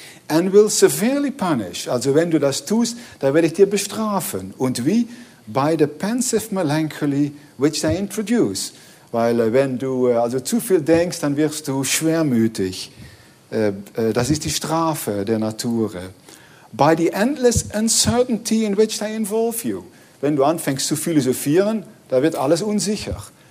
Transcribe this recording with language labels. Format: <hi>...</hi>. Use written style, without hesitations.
<en>And will severely punish,</en> <de>also wenn du das tust, dann werde ich dir bestrafen. Und wie?</de> <en>By the pensive melancholy which they introduce.</en> <de>Weil wenn du also zu viel denkst, dann wirst du schwermütig. Das ist die Strafe der Natur.</de> <en>By the endless uncertainty in which they involve you.</en> <de>Wenn du anfängst zu philosophieren, da wird alles unsicher.</de>